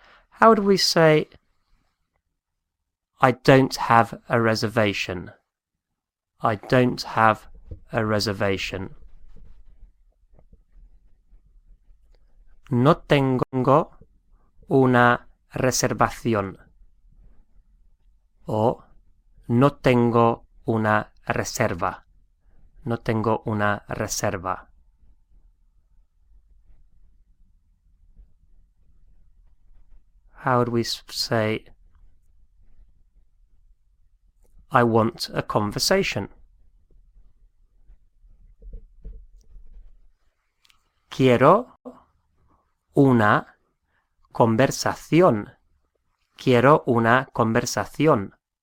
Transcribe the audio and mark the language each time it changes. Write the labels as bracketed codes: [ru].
[en] How do we say, I don't have a reservation? I don't have a reservation. [es] No tengo una reservación. O no tengo una reserva. No tengo una reserva. [en] How would we say, I want a conversation? [es] Quiero una conversación. Quiero una conversación.